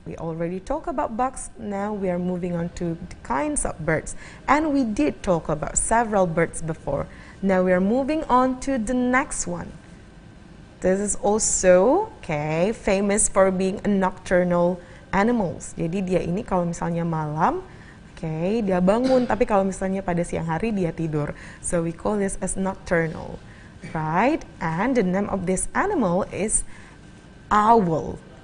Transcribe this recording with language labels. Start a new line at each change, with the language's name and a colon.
English: We already talk about bugs, now we are moving on to the kinds of birds. And we did talk about several birds before. Now we are moving on to the next one. This is also, okay, famous for being a nocturnal animals.
Indonesian: Jadi dia ini kalau misalnya malam, okay, dia bangun, tapi kalau misalnya pada siang hari dia tidur.
English: So we call this as nocturnal, right? And the name of this animal is owl.